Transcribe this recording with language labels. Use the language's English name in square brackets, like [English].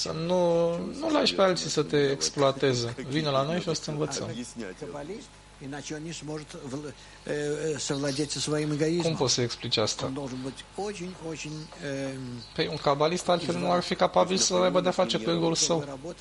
[Romanian] Să nu, nu lași pe alții să te exploateze. Vină la noi și o să te învățăm. [Russian] Иначе он не сможет совладеть со своим эгоизмом. [Romanian] Cum poți să explici asta? [Russian] Он должен быть очень-очень... [Romanian] Păi, un cabalist altfel nu ar fi capabil să aibă de-a face cu egoul său.